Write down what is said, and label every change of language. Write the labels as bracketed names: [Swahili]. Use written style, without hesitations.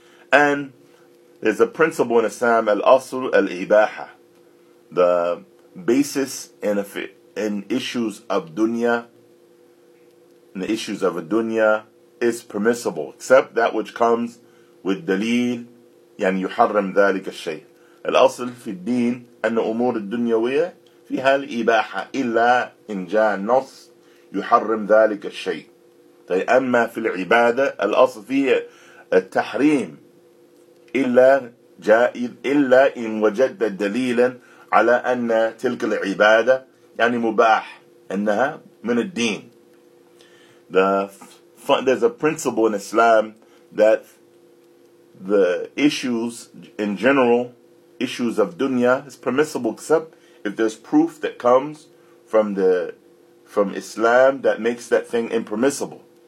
[English] And there's a principle in Islam, al-asr al-ibaha. The basis in issues of dunya, in the issues of a dunya, is permissible. Except that which comes with dalil, [Arabic] يعني يحرم ذلك الشيء. الأصل في الدين أن أمور الدنيوية فيها الإباحة إلا إن جاء النص يحرم ذلك الشيء. طيب أما في العبادة الأصل فيه التحريم إلا إن وجد دليلا على أن تلك العبادة يعني مباح أنها من الدين. [English] There's a principle in Islam that the issues in general, issues of dunya, is permissible except if there's proof that comes from Islam that makes that thing impermissible.